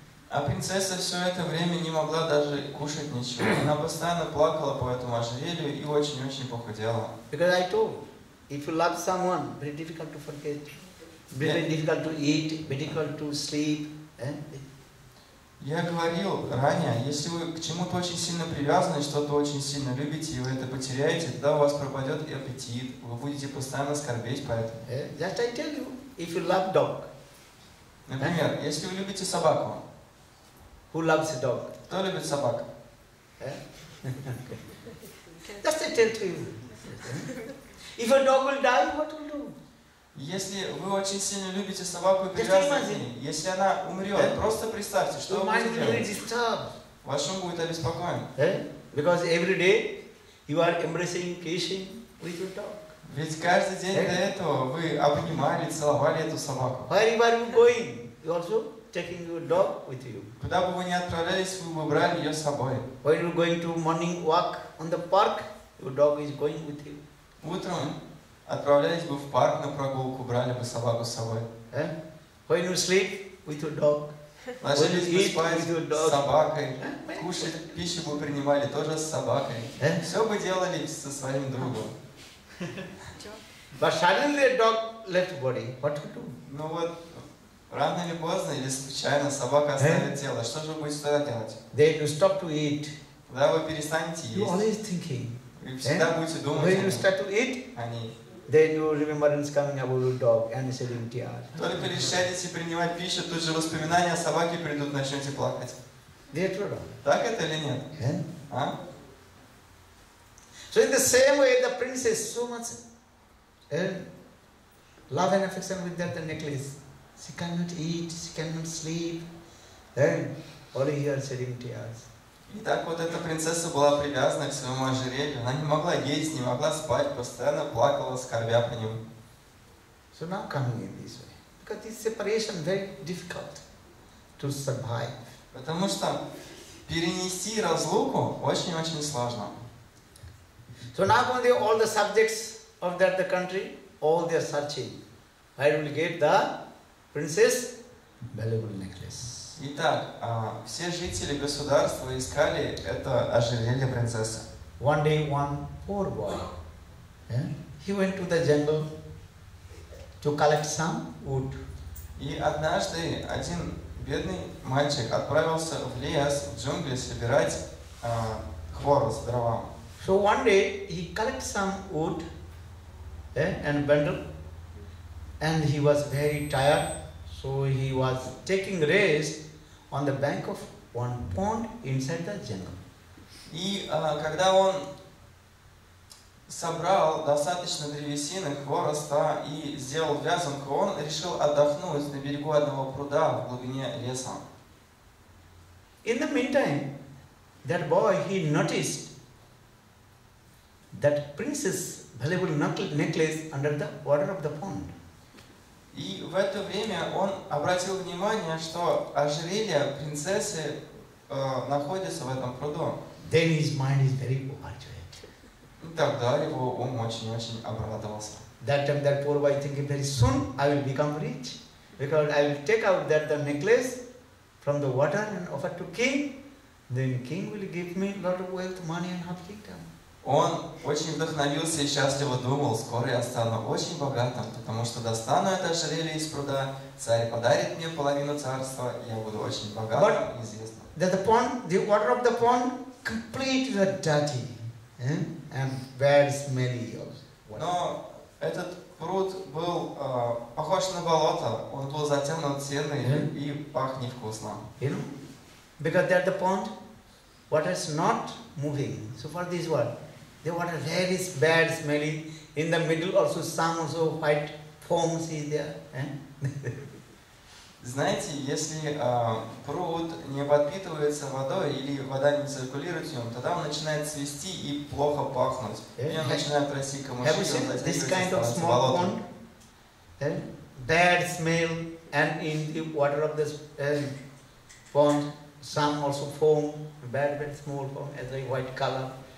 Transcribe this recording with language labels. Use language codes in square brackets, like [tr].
[ru] А принцесса все это время не могла даже кушать ничего. Она постоянно плакала по этому ожерелью и очень-очень похудела. [en] Because I told, If you love someone, very difficult to forget. Very difficult to eat, very difficult to sleep. [ru] Я говорил ранее, если вы к чему-то очень сильно привязаны, что-то очень сильно любите, и вы это потеряете, тогда у вас пропадет и аппетит, вы будете постоянно скорбеть по этому. [en] Just I tell you, if you love dog. [ru] Например, если вы любите собаку. [en] Who loves dog? [ru] Кто любит собак? [en] Just I tell to you. If a dog will die, what will you do? [ru] Если вы очень сильно любите собаку и привязаны к ней, если она умрет, просто представьте, что вы будете делать. Ваш ум будет обеспокоен. [en] Because every day you are embracing, kissing with your dog. [ru] Ведь каждый день до этого вы обнимали, целовали эту собаку. [en] Where are you going? You also taking your dog with you. [ru] Куда бы вы ни отправлялись, вы бы брали ее с собой. [en] When you're going to morning walk on the park, your dog is going with you. [ru] Утром. Отправлялись бы в парк на прогулку, брали бы собаку с собой. [en] When you sleep with your dog. [ru] Ложились бы спать с собакой. Кушать, пищу бы принимали тоже с собакой. Все бы делали со своим другом. [en] But suddenly a dog left body. What to do? [ru] Ну вот, рано или поздно, или случайно, собака оставит тело. Что же будет тогда делать? [en] Then you stop to eat. [ru] Когда вы перестанете есть. [en] You always thinking. [ru] Вы всегда будете думать. [en] When you start to eat. [ru] Они. [en] Then you remember it's coming about your dog and shedding tears. [ru] Только решаете принимать пищу, тут же воспоминания о собаке придут, начнете плакать. Так это или нет? [en] So in the same way, the princess so much love and affection with that necklace. She cannot eat, she cannot sleep. Then all here shedding tears. [ru] И так вот эта принцесса была привязана к своему ожерелью. Она не могла есть, не могла спать, постоянно плакала, скорбя по нему. [en] So now coming in this way. Because this separation very difficult to survive. [ru] Потому что перенести разлуку очень-очень сложно. [en] So now only all the subjects of that the country, all they are searching. I will get the princess valuable necklace. [ru] Итак, все жители государства искали это ожерелье принцессы. [en] One day one poor boy, he went to the jungle to collect some wood. [ru] И однажды один бедный мальчик отправился в лес, в джунгли собирать хворост, дрова. [en] So one day he collect some wood and bundle, and he was very tired, so he was taking rest. On the bank of one pond inside the jungle. [ru] И когда он собрал достаточно древесины, хвороста и сделал вязанку, он решил отдохнуть на берегу одного пруда в глубине леса. [en] In the meantime, that boy he noticed that princess valuable necklace under the water of the pond. [ru] И в это время он обратил внимание, что ожерелье принцессы находится в этом пруду. [en] Then his mind is very overjoyed. [ru] Тогда его ум очень-очень обрадовался. [en] That time that poor boy thinking very soon I will become rich, because I will take out that the necklace from the water and offer to king, then king will give me lot of wealth, money and half kingdom. [ru] Он очень вдохновился и счастливо думал, скоро я стану очень богатым, потому что достану это ожерелье из пруда, царь подарит мне половину царства, и я буду очень богатым, известным. [en] That the pond, the water of the pond, completely dirty, and bad smelly. [ru] Но этот пруд был похож на болото, он был затемнотенный и пах невкусно. [en] You know? Because that the pond, water is not moving. So for this one. The water very bad smelly. In the middle also some also white foams is there. [ru] Знаете, если пруд не подпитывается водой или вода не циркулирует в нем, тогда он начинает свисти и плохо пахнуть. И он начинает расти камыши. [en] Have you seen this kind of small pond? Bad smell and in the water of this pond some also foam, bad small foam as a white color.